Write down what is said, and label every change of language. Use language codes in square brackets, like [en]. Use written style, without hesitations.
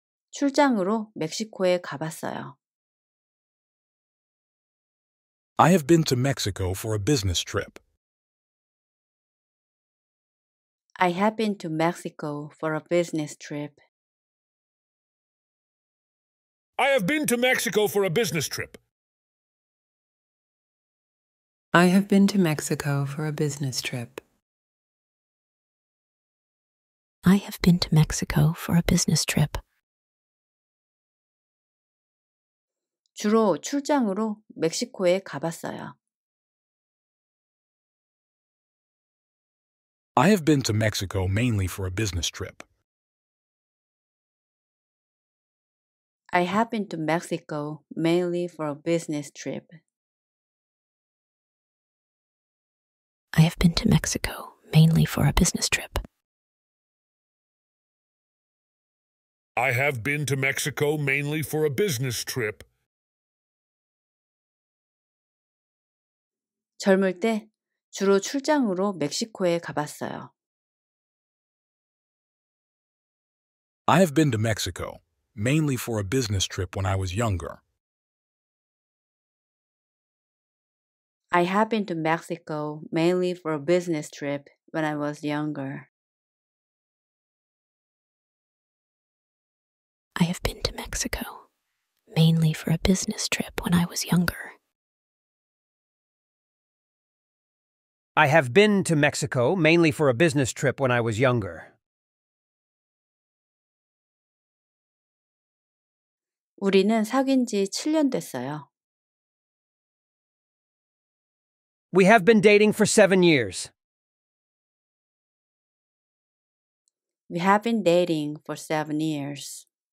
[ko] 출장으로 멕시코에 가봤어요. [en] I have been to Mexico for a business trip. I have been to Mexico for a business trip. I have been to Mexico for a business trip. I have been to Mexico for a business trip. I have been to Mexico for a business trip. [ko] 주로 출장으로 멕시코에 가봤어요. [en] I have been to Mexico mainly for a business trip. I have been to Mexico mainly for a business trip. I have been to Mexico mainly for a business trip. I have been to Mexico mainly for a business trip. [ko] 젊을 때 주로 출장으로 멕시코에 가봤어요. [en] I have been to Mexico mainly for a business trip when I was younger. I have been to Mexico mainly for a business trip when I was younger. I have been to Mexico mainly for a business trip when I was younger. I have been to Mexico mainly for a business trip when I was younger. [ko] 우리는 사귄 지 7년 됐어요. [en] We have been dating for 7 years. We have been dating for 7 years.